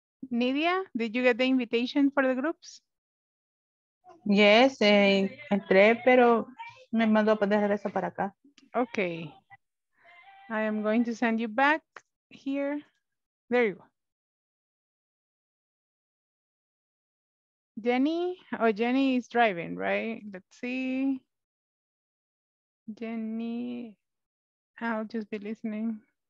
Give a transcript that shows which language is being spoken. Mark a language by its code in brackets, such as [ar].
[en] Nidia, did you get the invitation for the groups? [es] Yes, entré, pero me mandó de regreso para acá. [en] Okay. I am going to send you back here. There you go. Jenny, oh, Jenny is driving, right? Let's see. Jenny, I'll just be listening.